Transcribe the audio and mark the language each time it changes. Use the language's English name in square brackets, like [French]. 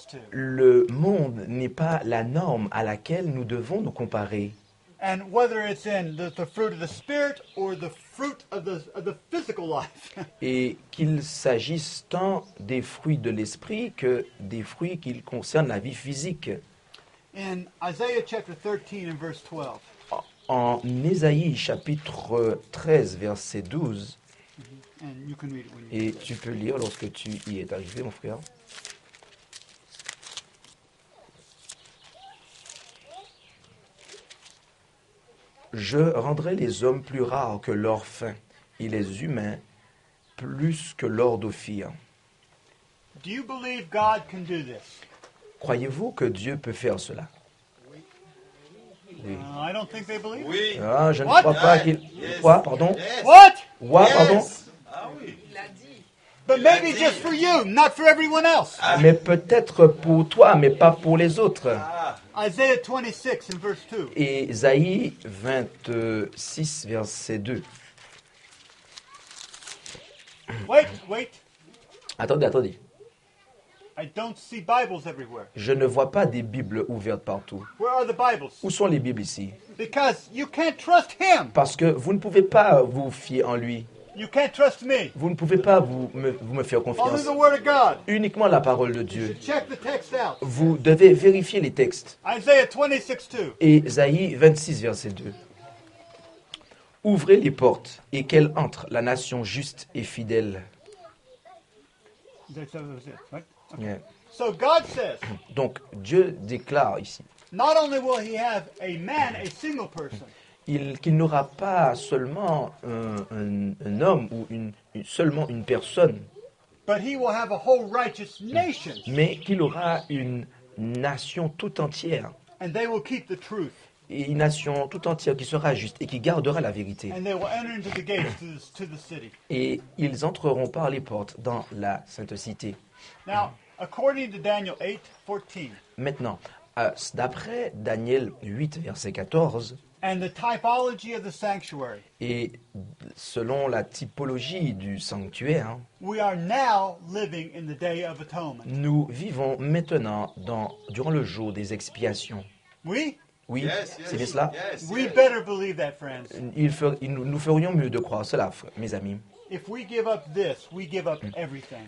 [French] Le monde n'est pas la norme à laquelle nous devons nous comparer. [English] And whether it's in the fruit of the spirit or the fruit of the physical life. [French] Et qu'il s'agisse tant des fruits de l'esprit que des fruits qui concernent la vie physique. [English] In Isaiah chapter 13 and verse 12. [French] En Ésaïe chapitre 13 verset 12. Mm-hmm. [English] And you can read it when you [French] et tu peux lire lorsque tu y es arrivé, mon frère. Je rendrai les hommes plus rares que leur faim, et les humains plus que leur d'Ophir. [English] Do you believe God can do this? [French] Croyez-vous que Dieu peut faire cela? Oui. [English] I don't think they believe. [French] Oui. Ah, je ne crois pas qu'il. [English] Yes. [French] Quoi, pardon? [English] Yes. What? What, yes. [French] Pardon? Ah oui. Il l'a dit. [English] But maybe just for you, not for everyone else. [French] Mais peut-être pour toi, mais pas pour les autres. [English] Isaiah 26 in verse 2. [French] Ésaïe 26 verset 2. [English] Wait. [French] Attendez. [English] I don't see Bibles everywhere. [French] Je ne vois pas des Bibles ouvertes partout. [English] Where are the Bibles? [French] Où sont les Bibles ici? [English] Because you can't trust him. [French] Parce que vous ne pouvez pas vous fier en lui. [English] You can't trust me. [French] Vous ne pouvez pas vous me faire confiance. [English] Only the word of God. [French] Uniquement la parole de Dieu. [English] You should check the text out. [French] Vous devez vérifier les textes. [English] Isaiah 26, 2. [French] Ésaïe 26, verset 2. Ouvrez les portes et qu'elle entre, la nation juste et fidèle. [English] That's it, right? Okay. Yeah. So God says, [French] donc Dieu déclare ici. [English] Not only will he have a man, a single person. [French] Qu'il n'aura pas seulement un homme ou seulement une personne, [English] but he will have a whole righteous nation. [French] Mais qu'il aura une nation tout entière. [English] And they will keep the truth. [French] Et une nation tout entière qui sera juste et qui gardera la vérité. [English] And they will enter into the gates to the city. [French] Et ils entreront par les portes dans la sainte cité. [English] Now, according to Daniel 8, 14, [French] maintenant, d'après Daniel 8, verset 14, [English] and the typology of the sanctuary. [French] Et selon la typologie du sanctuaire, [English] we are now living in the Day of Atonement. [French] Nous vivons maintenant durant le jour des expiations. Oui? Oui, [English] yes, [French] c'est [English] yes, [French] bien cela? [English] Yes, we yes. Better believe that, friends. [French] Nous ferions mieux de croire cela, mes amis. [English] If we give up this, we give up everything.